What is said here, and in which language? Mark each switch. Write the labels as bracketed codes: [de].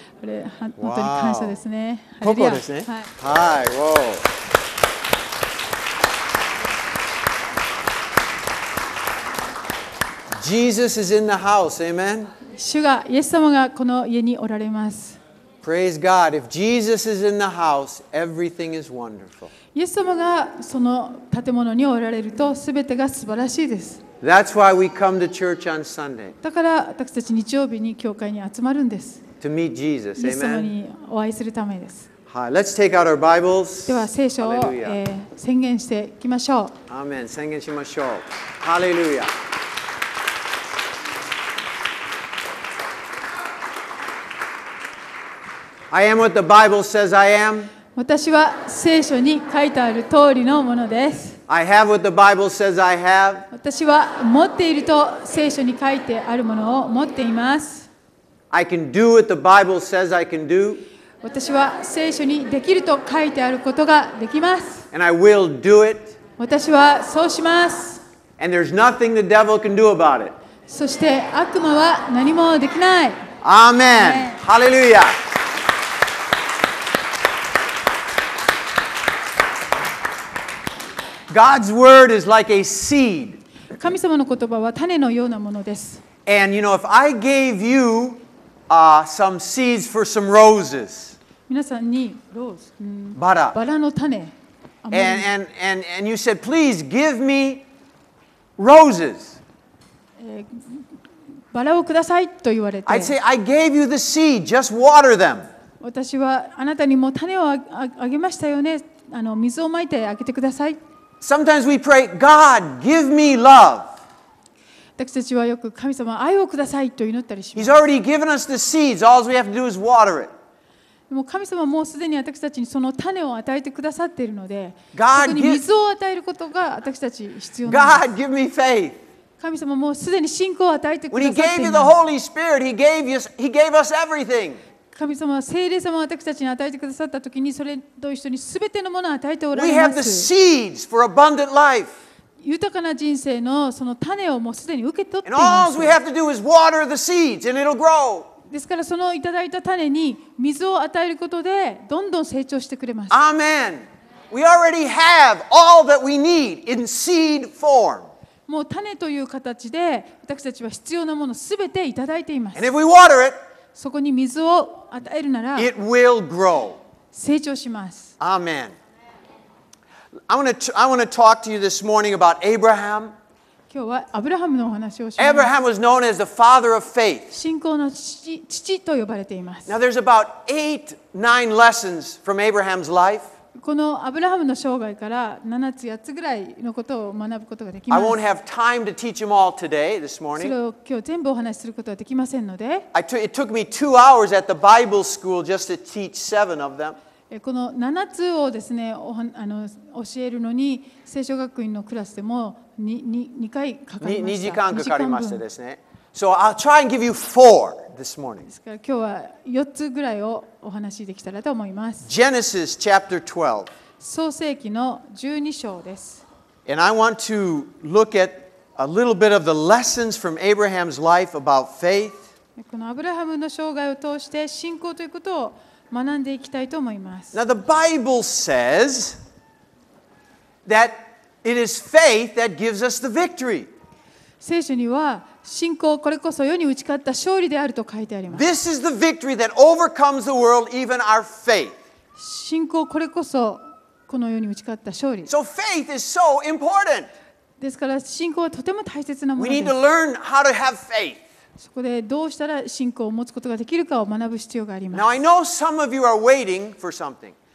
[ja] あれ、本当に感謝ですね。ここですね、はい、はい、ウォー。 [en] Jesus is in the house. Amen. [ja] 主が、イエス様がこの家におられます。 [en] Praise God. If Jesus is in the house, everything is wonderful. [ja] イエス様がその建物におられると、すべてが素晴らしいです。 [en] That's why we come to church on Sunday. [ja] だから私たち日曜日に教会に集まるんです。 [en] To meet Jesus. Amen. [ja] イエス様にお会いするためです。 [en] Hi. Let's take out our Bibles. [ja] では聖書を、宣言していきましょう。 Amen. 宣言しましょう。Hallelujah. [en] I am what the Bible says I am. [ja] 私は聖書に書いてある通りのものです。 [en] I have what the Bible says I have. [ja] 私は持っていると聖書に書いてあるものを持っています。 [en] I can do what the Bible says I can do. [ja] 私は聖書にできると書いてあることができます。 [en] And I will do it. [ja] 私はそうします。 [en] And there's nothing the devil can do about it. [ja] そして悪魔は何もできない。 [en] Amen. Hallelujah. God's word is like a seed. [ja] 神様の言葉は種のようなものです。 [en] And you know, if I gave you, some seeds for some roses. [ja] 皆さんにローズ、バラ、バラの種。 [en] And you said, please give me roses. [ja] バラをくださいと言われて。 [en] I'd say, I gave you the seed, just water them. [ja] 私はあなたにも種をあげましたよね。あの水をまいてあげてください。 [en] Sometimes we pray, God, give me love. [ja] 私たちはよく神様愛をくださいと祈ったりします。 [en] He's already given us the seeds. All we have to do is water it. [ja] でも神様もうすでに私たちにその種を与えてくださっているので、そこに水を与えることが私たち必要なんです。 [en] God, give me faith. [ja] 神様もうすでに信仰を与えてくださっています [en] When He gave you the Holy Spirit, He gave us everything. [ja] 神様は聖霊様を私たちに与えてくださったときに、それと一緒にすべてのものを与えておられます。 [en] We have the seeds for abundant life. [ja] 豊かな人生のその種をもうすでに受け取っています。 [en] And all we have to do is water the seeds, and it'll grow. [ja] ですからそのいただいた種に水を与えることでどんどん成長してくれます。 [en] Amen. We already have all that we need in seed form. [ja] もう種という形で私たちは必要なものすべていただいています。 [en] And if we water it. [ja] そこに水を与えるなら、 [en] It will grow. [ja] 成長します。 [en] Amen. I want to talk to you this morning about Abraham. [ja] 今日はアブラハムのお話をします。 [en] Abraham was known as the father of faith. [ja] 信仰の父と呼ばれています。 [en] Now there's about 8-9 lessons from Abraham's life. [ja] このアブラハムの生涯から7つ8つぐらいのことを学ぶことができます。 [en] I won't have time to teach them all today, this morning. [ja] それを今日全部お話しすることはできませんので。 [en] It took me 2 hours at the Bible school just to teach 7 of them. [ja] この7つをですね、教えるのに聖書学院のクラスでも 2回かかりました。 2時間かかりましたですね。 [en] So I'll try and give you 4 this morning. [ja] ですから今日は4つぐらいをお話しできたらと思います。 [en] Genesis chapter 12. [ja] 創世記の12章です。 [en] And I want to look at a little bit of the lessons from Abraham's life about faith. [ja] このアブラハムの生涯を通して信仰ということを学んでいきたいと思います。 [en] Now the Bible says that it is faith that gives us the victory. [ja] 聖書には信仰、これこそ世に打ち勝った勝利であると書いてあります。 [en] This is the victory that overcomes the world, even our faith. [ja] 信仰、これこそこの世に打ち勝った勝利。 [en] So faith is so important. [ja] ですから信仰はとても大切なものです。 [en] We need to learn how to have faith. [ja] そこでどうしたら信仰を持つことができるかを学ぶ必要があります。 [en] Now I know some of you are waiting for something.